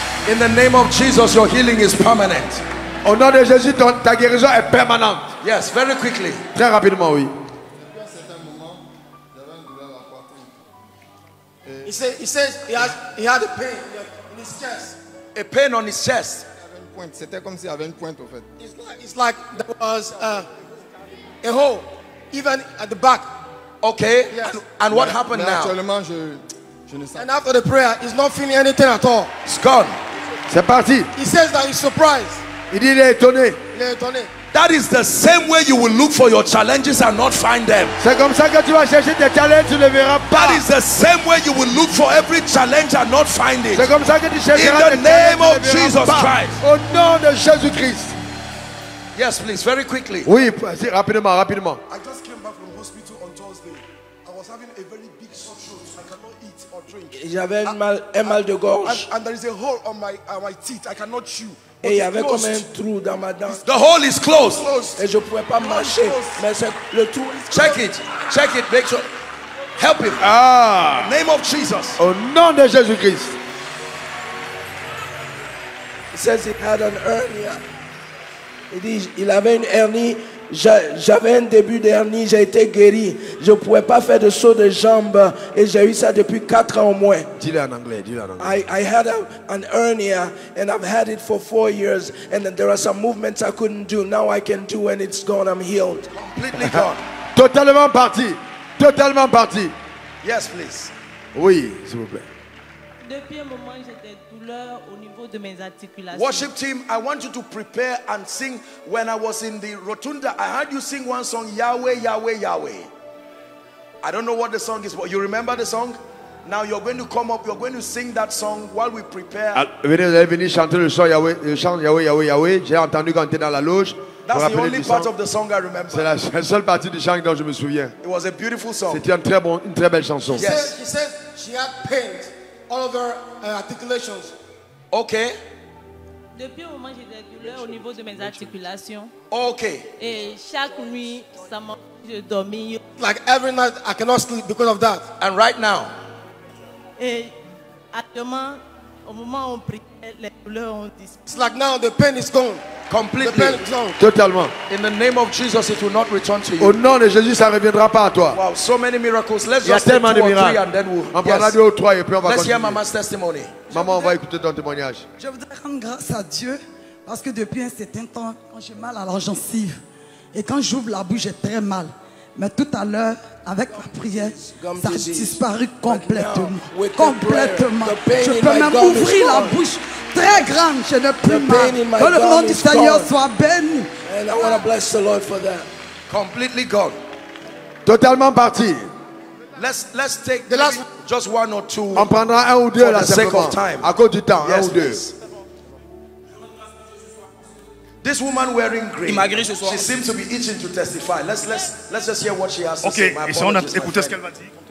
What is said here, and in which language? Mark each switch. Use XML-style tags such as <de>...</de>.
<en>In the name of Jesus, your healing is permanent.</en> <fr>Au nom de Jésus, ta guérison est permanente.</fr> <en>Yes, very quickly.</en> <fr>Très rapidement, oui.</fr> <en>He said he had a pain in his chest. A pain on his chest.</en> <fr>C'était comme s'il y avait une pointe en fait.</fr> <en>It's like there was a hole even at the back. Okay. Yes. And what happened</en> <fr>mais</fr> <en>now?</en> <fr>Actuellement, je ne sais.</fr> <en>And after the prayer, he's not feeling anything at all. It's gone.</en> <fr>C'est parti.</fr> <en>He says that he's surprised.</en> <fr>Il dit il est étonné. Il est étonné.</fr> <en>That is the same way you will look for your challenges and not find them.</en> <fr>C'est comme ça que tu vas chercher tes challenges, tu ne verras pas.</fr> <en>That is the same way you will look for every challenge and not find it.</en> <fr>C'est comme ça que tu chercheras tes challenges, tu ne verras pas.</fr> <en>In the name of Jesus Christ.</en> <fr>Au nom de Jésus Christ.</fr> <en>Yes, please, very quickly.</en> <fr>Oui, vas-y, rapidement, rapidement.</fr> <en>I just came back from hospital on Thursday. I was having a very big sore throat. I cannot eat or drink.</en> <fr>J'avais un mal de gorge.</fr> <en>And there is a hole on my teeth. I cannot chew.</en> <fr>Et il y avait comme un trou dans ma dent.</fr> <en>The hole is closed.</en> <fr>Et je pouvais pas marcher. Mais c'est le trou.</fr> <en>Check it. Make sure. Help him. Ah. Name of Jesus.</en> <fr>Au nom de Jésus Christ.</fr> <en>He says he had an hernia.</en> <fr>Il dit il avait une hernie. J'avais un début d'hernie. J'ai été guéri. Je pouvais pas faire de saut de jambe. Et j'ai eu ça depuis 4 ans au moins. Dis-le en anglais. Dis-le en anglais.</fr> <en>I had an hernia and I've had it for 4 years. And there are some movements I couldn't do. Now I can do and it's gone. I'm healed. Completely gone.</en> <fr>Totalement parti. Totalement parti.</fr> <en>Yes, please.</en> <fr>Oui, s'il vous plaît. Depuis un moment, j'ai des douleurs au niveau de mes articulations.</fr> <en>Worship team, I want you to prepare and sing. When I was in the rotunda, I heard you sing one song, Yahweh, Yahweh, Yahweh. I don't know what the song is, but you remember the song? Now you're going to come up, you're going to sing that song while we prepare.</en> <fr>Venez, venez chanter le chant Yahweh, Yahweh, Yahweh, Yahweh. J'ai entendu quand tu es dans la loge.</fr> <en>That's the only part of the song I remember.</en> <fr>C'est la seule partie du chant dont je me souviens.</fr> <en>It was a beautiful song.</en> <fr>C'était une très belle chanson.</fr> <en>Yes. She said she had pain. All of her articulations. Okay.</en> <fr>Depuis un moment, j'ai des douleurs au niveau de mes articulations.</fr> <en>Okay.</en> <fr>Et chaque nuit, ça m'empêche de dormir.</fr> <en>Like every night, I cannot sleep because of that. And right now.</en> <fr>Et actuellement, au moment où on prie, les douleurs ont disparu.</fr> <en>It's like now the pain is gone. Completely. The pain is gone.</en> <fr>Totalement.</fr> <en>In the name of Jesus, it will not return to you.</en> <fr>Au nom de Jésus, ça reviendra pas à toi.</fr> <en>Wow, so many miracles. Let's just take two or three and then we'll.</en> <fr>On prendra deux ou trois et puis on va.</fr> <en>Let's hear Mama's testimony.</en> <fr>Maman, on va écouter ton témoignage. Je voudrais rendre grâce à Dieu parce que depuis un certain temps, quand j'ai mal à la gencive et quand j'ouvre la bouche, j'ai très mal. Mais tout à l'heure, avec ma prière, ça a disparu complètement. Complètement. Je peux même ouvrir la bouche très grande. Je n'ai plus mal. Que le nom du Seigneur soit béni.</fr> <en>And I want to bless the Lord for that. Completely gone.</en> <fr>Totalement parti.</fr> <en>Let's take the last just one or two.</en> <fr>On prendra un ou deux</fr> <en>for the sake of time.</en> <fr>À cause du temps, yes, un ou deux.</fr> <en>Please. This woman wearing green.</en> <fr>Immagré ce soir.</fr> <en>She seems to be itching to testify. Let's just hear what she has okay. to say.</en> <fr>Okay, et si on a écouté ce qu'elle va dire.</fr>